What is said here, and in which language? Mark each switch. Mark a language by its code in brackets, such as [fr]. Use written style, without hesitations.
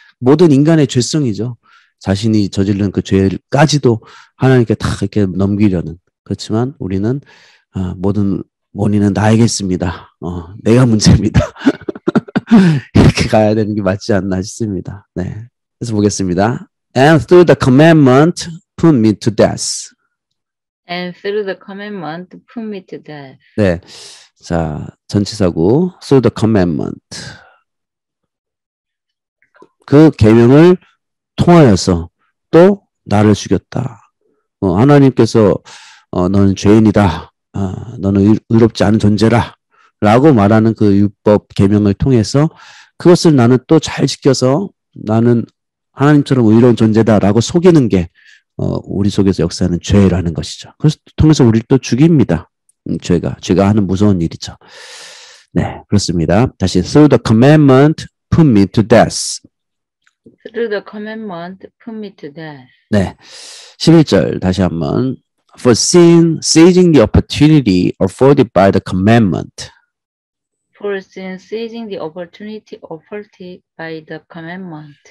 [ko] 모든 인간의 죄성이죠. 자신이 저지른 그 죄까지도 하나님께 다 이렇게 넘기려는. 그렇지만 우리는 모든 원인은 나에게 있습니다. 내가 문제입니다. 이렇게 가야 되는 게 맞지 않나 싶습니다. 네. 그래서 보겠습니다. [en] And through the commandment, put me to death. And through the commandment, put me to death. [ko] 네. 자, 전치사구. [en] Through the commandment. [ko] 그 계명을 통하여서 또 나를 죽였다. 하나님께서 너는 죄인이다. 너는 의롭지 않은 존재라 라고 말하는 그 율법 계명을 통해서 그것을 나는 또 잘 지켜서 나는 하나님처럼 의로운 존재다 라고 속이는 게 우리 속에서 역사하는 죄라는 것이죠. 그것을 통해서 우리를 또 죽입니다. 죄가 하는 무서운 일이죠. 네, 그렇습니다. 다시 [en] Through the commandment put me to death. Through the commandment, put me to death. [ko] 네, 11절 다시 한번. [en] For sin, seizing the opportunity afforded by the commandment. For sin, seizing the opportunity afforded by the commandment.